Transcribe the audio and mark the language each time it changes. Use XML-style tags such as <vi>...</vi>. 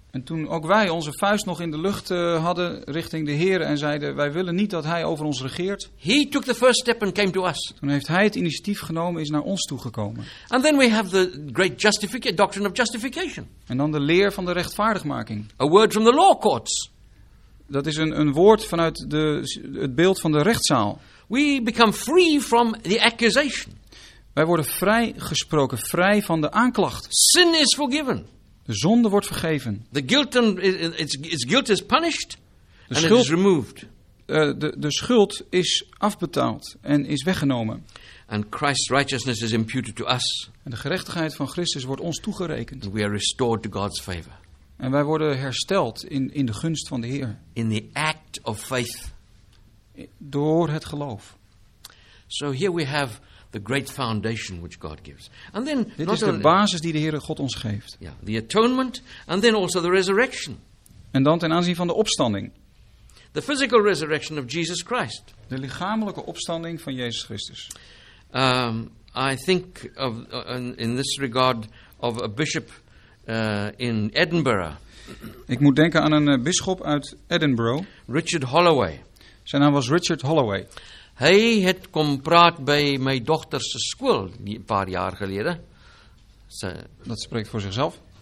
<nl>En toen ook wij onze vuist nog in de lucht hadden richting de Heer en zeiden, wij willen niet dat hij over ons regeert.</nl> <en>He took the first step and came to us.</en> <nl>Toen heeft hij het initiatief genomen, is naar ons toegekomen.</nl> <en>And then we have the great doctrine of justification.</en> <nl>En dan de leer van de rechtvaardigmaking.</nl> <en>A word from the law courts.</en> <nl>Dat is een woord vanuit het beeld van de rechtszaal.</nl> <en>We become free from the accusation.</en> <nl>Wij worden vrijgesproken, vrij van de aanklacht.</nl> <en>Sin is forgiven.</en> <nl>De zonde wordt vergeven.</nl> <en>The guilt is guilt is punished and it is removed.</en> <nl>De schuld is afbetaald en is weggenomen.</nl> <en>And Christ's righteousness is imputed to us.</en> <nl>En de gerechtigheid van Christus wordt ons toegerekend.</nl> <en>We are restored to God's favor.</en> <nl>En wij worden hersteld in de gunst van de Heer.</nl> <en>In the act of faith.</en> <nl>Door het geloof.</nl> <en>So here we have the great foundation which God gives. And then</en> <nl>dit is de basis die de Heere God ons geeft.</nl> <en>Yeah, the atonement and then also the resurrection.</en> <nl>En dan ten aanzien van de opstanding.</nl> <en>The physical resurrection of Jesus Christ.</en> <nl>De lichamelijke opstanding van Jezus Christus.</nl> <en>I think of in this regard of a bishop in Edinburgh.</en> <nl>Ik moet denken aan een bisschop uit Edinburgh.</nl> <en>Richard Holloway.</en> <nl>Zijn naam was Richard Holloway. Hij had kom praat bij mijn dochterse school een paar jaar geleden. Dat spreekt voor zichzelf.</nl>